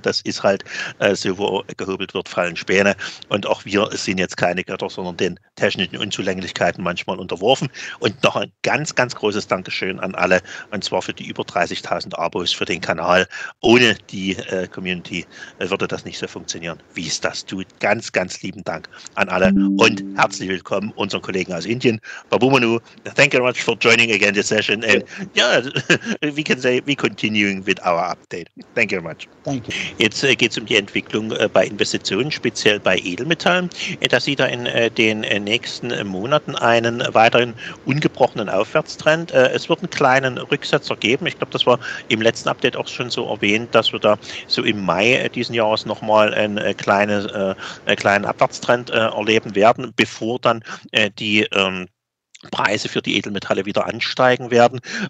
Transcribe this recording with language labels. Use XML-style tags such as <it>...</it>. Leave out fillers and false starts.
<de>Das ist halt so, wo gehobelt wird, fallen Späne. Und auch wir sind jetzt keine Götter, sondern den technischen Unzulänglichkeiten manchmal unterworfen. Und noch ein ganz, ganz großes Dankeschön an alle, und zwar für die über 30.000 Abos für den Kanal. Ohne die Community würde das nicht so funktionieren, wie es das tut. Ganz, ganz lieben Dank an alle und herzlich willkommen unseren Kollegen aus Indien.</de> <en>Babu Manu, thank you very much for joining again this session. And yeah, we can say we're continuing with our update. Thank you very much. Thank you.</en> <de>Jetzt geht es um die Entwicklung bei Investitionen, speziell bei Edelmetallen. Da sieht er in den nächsten Monaten einen weiteren ungebrochenen Aufwärtstrend. Es wird einen kleinen Rücksetzer geben. Ich glaube, das war im letzten Update auch schon so erwähnt, dass wir da so im Mai diesen Jahres nochmal einen kleinen Abwärtstrend erleben werden, bevor dann die Preise für die Edelmetalle wieder ansteigen werden.</de>